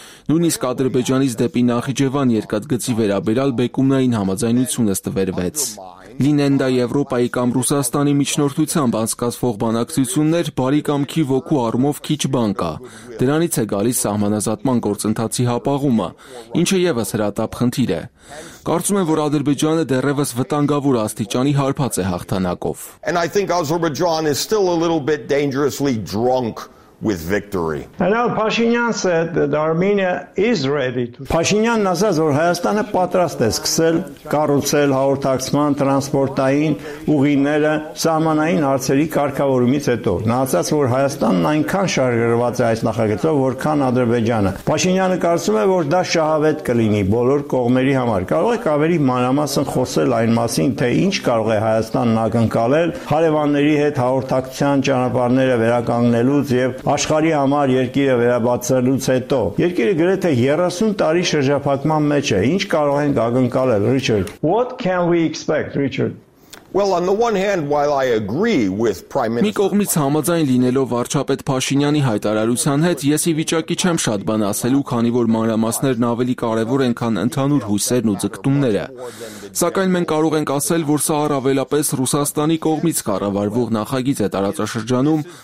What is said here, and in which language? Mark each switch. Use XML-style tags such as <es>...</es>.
<hy>Նույնիսկ Ադրբեջանից դեպի Նախիջևան երկաթգծի վերաբերալ բեկումնային համաձայնություն է ստվերվեց։ Լինեն դա Եվրոպայի կամ Ռուսաստանի միջնորդությամբ անցկացվող բանակցություններ, բարի կամքի ոգու առումով քիչ բան կա։ Դրանից է գալիս սահմանազատման գործընթացի հապաղումը, ինչը եւս հրատապ խնդիր է։ Կարծում եմ, որ Ադրբեջանը դեռևս վտանգավոր աստիճանի հարբած է հաղթանակով։</hy> <en>And I think Azerbaijan is still a little bit dangerously drunk with victory. And now Pashinyan said that Armenia is ready to</en> <hy>Pashinyan ասաց, որ Հայաստանը պատրաստ է սկսել կառուցել հաղորդակցման տրանսպորտային ուղիները սահմանային հարցերի կարգավորումից հետո։ Նա ասաց, որ Հայաստանն այնքան շարգրված է այս նախագծով, որքան Ադրբեջանը։ Պաշինյանը կարծում է, որ դա շահավետ կլինի բոլոր կողմերի համար։ Կարող եք ավելի մանրամասն խոսել այն մասին, թե ինչ կարող է Հայաստանն ակնկալել հարևանների հետ հաղորդակցության ճանապարհները վերականգնելուց և աշխարհի համար երկիրը վերաբացելուց հետո։ Երկիրը գրեթե 30 տարի շրջափակման մեջ է։ Ինչ կարող ենք ակնկալել, Ռիչարդ։</hy> <en>What can we expect, Richard? Well, on the one hand, while I agree with Prime Minister</en> <hy>Մի կողմից համաձայն լինելով վարչապետ Փաշինյանի հայտարարության հետ, ես ի վիճակի չեմ շատ բան ասելու, քանի որ մանրամասներն ավելի կարևոր են, քան ընդհանուր հույսերն ու ձգտումները։ Սակայն մենք կարող ենք ասել, որ սա առավելապես Ռուսաստանի կողմից կառավարվող նախագիծ է տարածաշրջանում</hy>